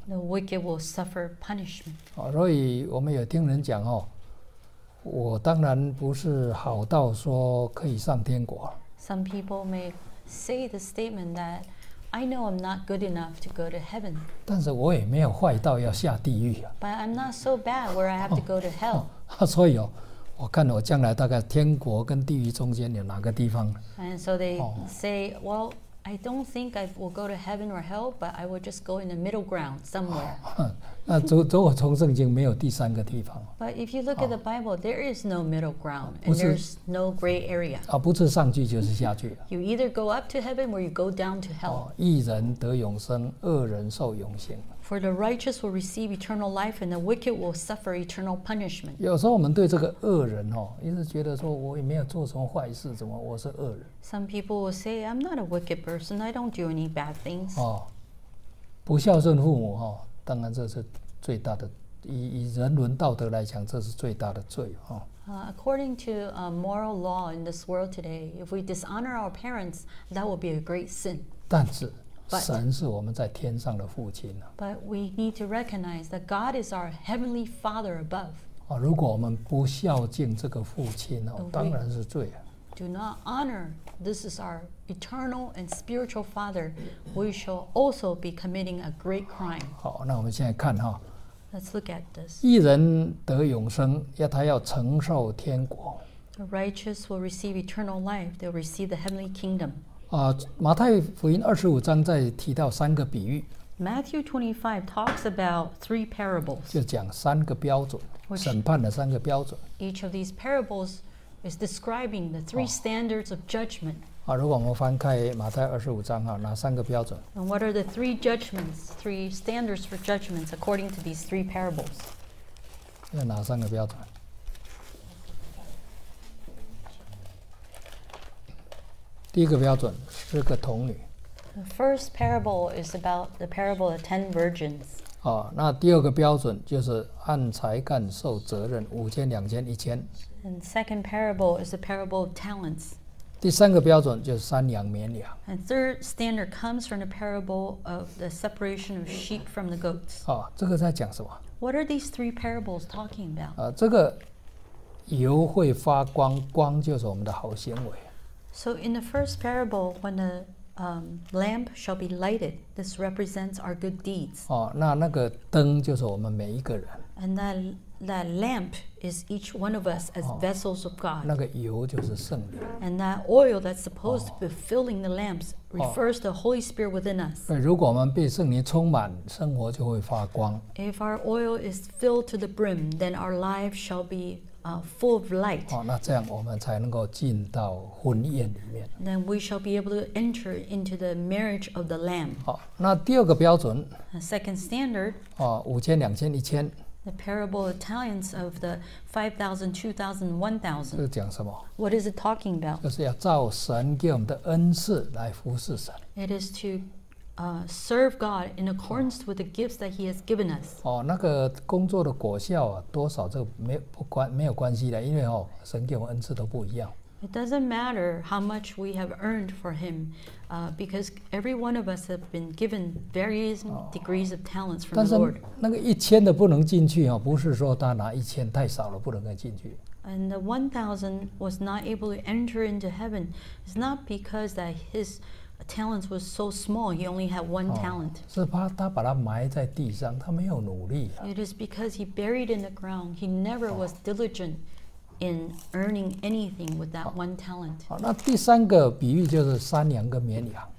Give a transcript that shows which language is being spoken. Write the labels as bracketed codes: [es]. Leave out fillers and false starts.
[en] The wicked will suffer punishment. [zh] 哦，所以我们有听人讲哦，我当然不是好到说可以上天国。 [en] Some people may say the statement that. I know I'm not good enough to go to heaven. [zh] 但是我也没有坏到要下地狱啊。 [en] But I'm not so bad where I have to go to hell. [zh] 所以哦，我看我将来大概天国跟地狱中间有哪个地方。 [en] And so they say, well, I don't think I will go to heaven or hell, but I will just go in the middle ground somewhere. [zh] 那如果从圣经没有第三个地方。 [en] But if you look at the Bible, there is no middle ground, and there's no gray area. [zh] 啊，不是上去就是下去。 [en] You either go up to heaven or you go down to hell. [zh] 义人得永生，恶人受永刑。 [en] For the righteous will receive eternal life, and the wicked will suffer eternal punishment. [zh] 有时候我们对这个恶人哦，一直觉得说我也没有做什么坏事，怎么我是恶人？ [en] Some people will say, I'm not a wicked person. I don't do any bad things. [zh] 哦，不孝顺父母哦。当然这是最大的 以人伦道德来讲这是最大的罪、哦 [en] according to moral law in this world today if we dishonor our parents that will be a great sin [zh] 但是神是我们在天上的父亲、啊、 [en] but we need to recognize that God is our heavenly father above、 [zh] 啊、如果我们不孝敬这个父亲、哦、当然是罪、啊、 [en] do not honor this is our eternal and spiritual father we shall also be committing a great crime [zh] 好那我们现在看、哦、 [en] let's look at this [zh] 义人得永生要他要承受天国 [en] the righteous will receive eternal life they'll receive the heavenly kingdom [zh] 马太福音二十五章在提到三个比喻 [en] Matthew 25 talks about three parables [zh] 就讲三个标准审判的三个标准 [en] each of these parables is describing the three standards of judgment [zh] 如果我们翻开马太二十五章哪三个标准 [en] And what are the three judgments, three standards for judgments according to these three parables? [zh] 要哪三个标准？第一个标准，十个童女。 [en] The first parable is about the parable of ten virgins. [zh] 那第二个标准就是按才干受责任，五千、两千、一千。 [en] And second parable is the parable of talents. [zh] 第三个标准就是山羊绵羊。 [en] And third standard comes from the parable of the separation of sheep from the goats. [zh] 哦，这个在讲什么 [en] ？What are these three parables talking about？ [zh] 这个油会发光，光就是我们的好行为。 [en] So in the first parable, when the lamp shall be lighted, this represents our good deeds. [zh] 哦，那个灯就是我们每一个人。 [en] And that lamp is each one of us as vessels of God. [zh] 那个油就是圣灵。 [en] And that oil that's supposed to be filling the lamps refers to the Holy Spirit within us. [zh] 如果我们被圣灵充满，生活就会发光。 [en] If our oil is filled to the brim, then our life shall be full of light. [zh] 那这样我们才能够进到婚宴里面。 [en] Then we shall be able to enter into the marriage of the Lamb. [zh] 那第二个标准。 [en] A second standard. [zh] 五千、两千、一千。 [en] The parable of talents of the 5,000, 2,000, 1,000. [zh] 这是讲什么 [en] ？What is it talking about？ [zh] 就是要照神给我们的恩赐来服侍神。 [en] It is to serve God in accordance with the gifts that He has given us. [zh] 那个工作的果效啊，多少这没有关系的，因为神给我们恩赐都不一样。 [en] It doesn't matter how much we have earned for Him, because every one of us have been given various degrees of talents from the Lord. [zh] 那个一千的不能进去不是说他拿一千太少了不能够进去。 [en] And the 1,000 was not able to enter into heaven. It's not because that his talents was so small. He only had one talent. [zh] 是怕他把它埋在地上，他没有努力。 [en] It is because he buried in the ground. He never was diligent. in earning anything with that one talent. [zh] 好，那第三个比喻就是山羊跟绵羊。